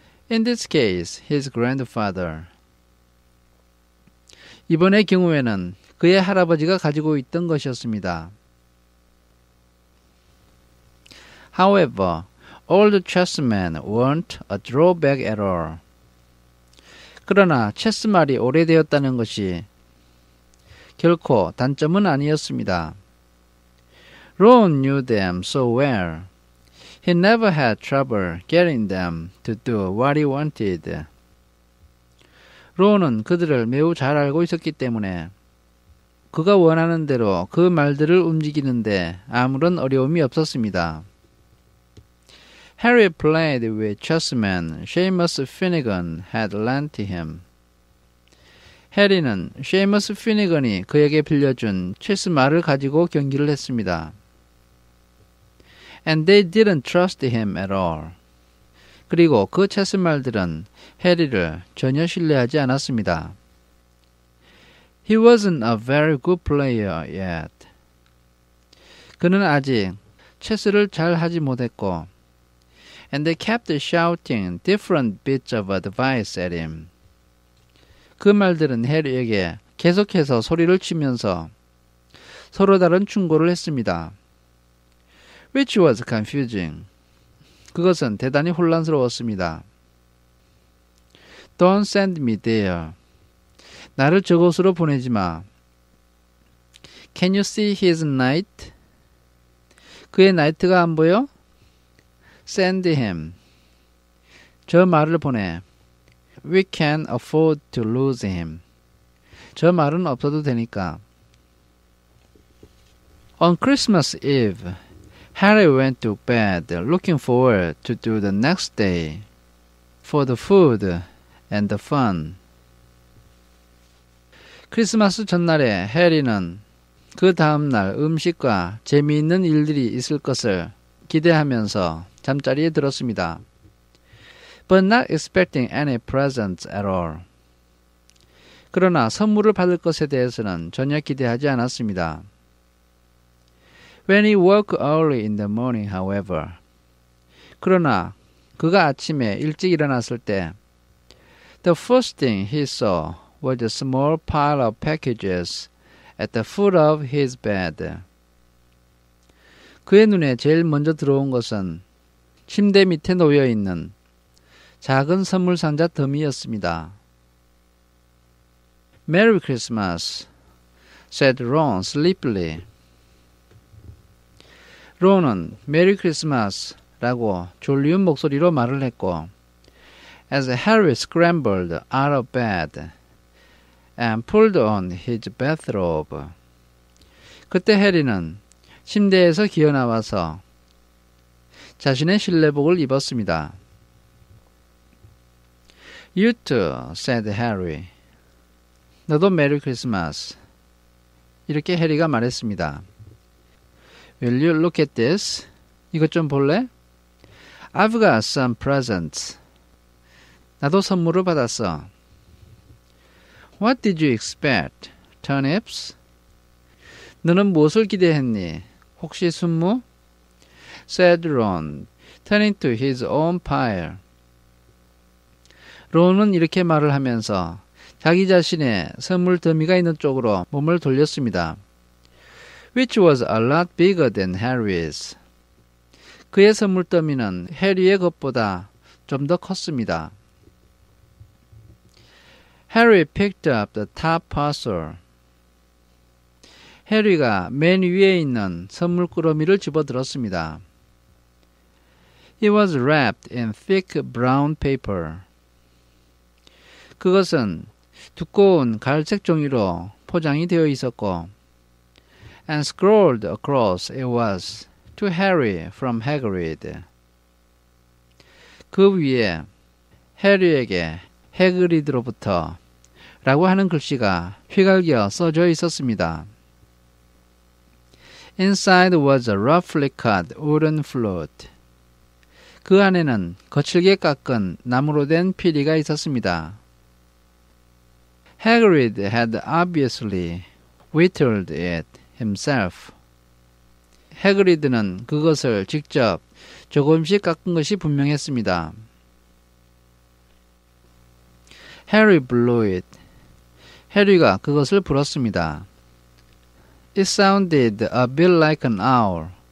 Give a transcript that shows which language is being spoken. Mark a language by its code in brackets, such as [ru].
[en] In this case, his grandfather. [ko] 이번의 경우에는 그의 할아버지가 가지고 있던 것이었습니다. [en] However, old chessmen weren't a drawback at all. [ko] 그러나 체스말이 오래되었다는 것이 결코 단점은 아니었습니다. [en] Ron knew them so well. He never had trouble getting them to do what he wanted. [ko] Ron은 그들을 매우 잘 알고 있었기 때문에 그가 원하는 대로 그 말들을 움직이는데 아무런 어려움이 없었습니다. [en] Harry played with chessman Seamus Finnegan had lent to him. [ko] 해리는 셰이머스 피니건이 그에게 빌려준 체스말을 가지고 경기를 했습니다. [en] And they didn't trust him at all. [ko] 그리고 그 체스말들은 해리를 전혀 신뢰하지 않았습니다. [en] He wasn't a very good player yet. [ko] 그는 아직 체스를 잘 하지 못했고 [en] And they kept shouting different bits of advice at him. [ko] 그 말들은 해리에게 계속해서 소리를 치면서 서로 다른 충고를 했습니다. [en] Which was confusing. [ko] 그것은 대단히 혼란스러웠습니다. [en] Don't send me there. [ko] 나를 저곳으로 보내지 마. [en] Can you see his knight? [ko] 그의 나이트가 안 보여? [en] Send him. [ko] 저 말을 보내. [en] We can afford to lose him. [ko] 저 말은 없어도 되니까. [en] On Christmas Eve, Harry went to bed looking forward to do the next day for the food and the fun. [ko] 크리스마스 전날에 해리는 그 다음날 음식과 재미있는 일들이 있을 것을 기대하면서 잠자리에 들었습니다. [en] But not expecting any presents at all. [ko] 그러나 선물을 받을 것에 대해서는 전혀 기대하지 않았습니다. [en] When he woke early in the morning, however. [ko] 그러나 그가 아침에 일찍 일어났을 때 [en] The first thing he saw was a small pile of packages at the foot of his bed. [ko] 그의 눈에 제일 먼저 들어온 것은 침대 밑에 놓여있는 작은 선물 상자 더미였습니다. [en] Merry Christmas, said Ron sleepily. [ko] Ron은 Merry Christmas라고 졸리운 목소리로 말을 했고, [en] as Harry scrambled out of bed and pulled on his bathrobe. [ko] 그때 해리는 침대에서 기어나와서 자신의 실내복을 입었습니다. [en] You too, said Harry. [ko] 너도 메리 크리스마스. 이렇게 해리가 말했습니다. [en] Will you look at this? [ko] 이것 좀 볼래? [en] I've got some presents. [ko] 나도 선물을 받았어. [en] What did you expect? Turnips? [ko] 너는 무엇을 기대했니? 혹시 순무? [en] Said Ron, turning to his own pile. [ko] 론은 이렇게 말을 하면서 자기 자신의 선물 더미가 있는 쪽으로 몸을 돌렸습니다. [en] Which was a lot bigger than Harry's. [ko] 그의 선물 더미는 해리의 것보다 좀 더 컸습니다. [en] Harry picked up the top parcel. [ko] 해리가 맨 위에 있는 선물 꾸러미를 집어들었습니다. [en] It was wrapped in thick brown paper. [ko] 그것은 두꺼운 갈색 종이로 포장이 되어 있었고 [en] and scrawled across it was to Harry from Hagrid. [ko] 그 위에 해리에게 해그리드로부터 라고 하는 글씨가 휘갈겨 써져 있었습니다. [en] Inside was a roughly cut wooden flute. [ko] 그 안에는 거칠게 깎은 나무로 된 피리가 있었습니다. [en] Hagrid had obviously whittled it himself. [ko] Hagrid는 그것을 직접 조금씩 깎은 것이 분명했습니다. [en] Harry blew it. [ko] 해리가 그것을 불었습니다. [en] It sounded a bit like an owl.